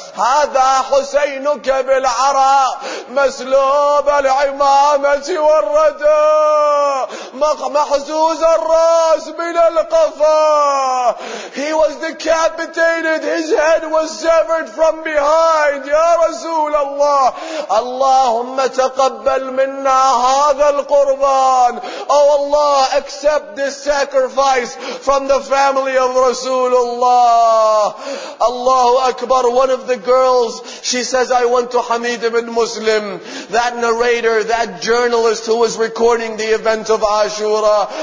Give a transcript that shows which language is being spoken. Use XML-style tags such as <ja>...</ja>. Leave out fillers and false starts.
<ar>Hadha Husaynuk bil araa, maslub al-imamati war-rada." محزوز الرأس من القفا.</ar> <en>He was decapitated. His head was severed from behind.</en> <ar>يا رسول الله. اللهم تقبل منا هذا القربان.</ar> <en>Oh Allah, accept this sacrifice from the family of Rasulullah. Allahu Akbar. One of the girls, she says, I went to Hamid ibn Muslim. That narrator, that journalist who was recording the event of Ashura.</en>